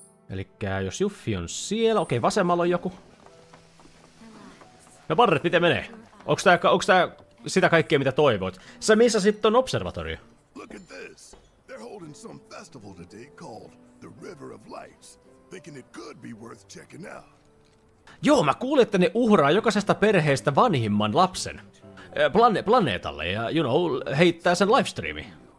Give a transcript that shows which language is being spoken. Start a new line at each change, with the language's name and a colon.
Finnish: Elikkä jos Juffi on siellä, okei, vasemmalla on joku. No Barret, miten menee? Onks tää sitä kaikkea mitä toivoit? Sä missä sit on observatorio?
English: Look at this. They're holding some festival today called the River of Lights. Thinking it could be worth checking out.
Finnish: Joo, mä kuulin, että ne uhraa jokaisesta perheestä vanhimman lapsen. Planeetalle ja, you know, heittää sen livestreami.